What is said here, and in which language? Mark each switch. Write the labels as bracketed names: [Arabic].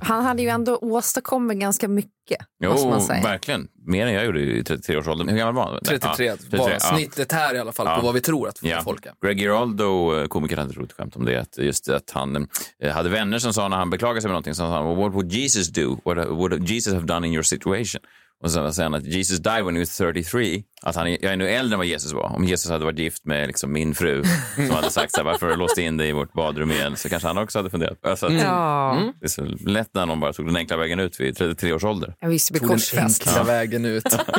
[Swedish] Han hade ju ändå åstadkommit ganska mycket. Jo, man säger. Verkligen. Mer än jag gjorde i 33-årsåldern. Hur gammal var han? 33. Ja, 33 var snittet här i alla fall på vad vi tror att folk är. Greg Giraldo, komiker, hade roligt skämt om det. Att just att han hade vänner som sa när han beklagade sig med någonting, så sa han, [English] well, what would Jesus do? What would Jesus have done in your situation? [Swedish] Och sen säger han att [English] Jesus died when he was 33. [Swedish] Att han, jag är nu äldre än vad Jesus var. Om Jesus hade varit gift med liksom min fru som hade sagt så här, varför låste in dig i vårt badrum igen, så kanske han också hade funderat. Alltså att, det är så lätt när någon bara tog den enkla vägen ut vid 33 års ålder. Jag visste på korset. Den enkla vägen ut.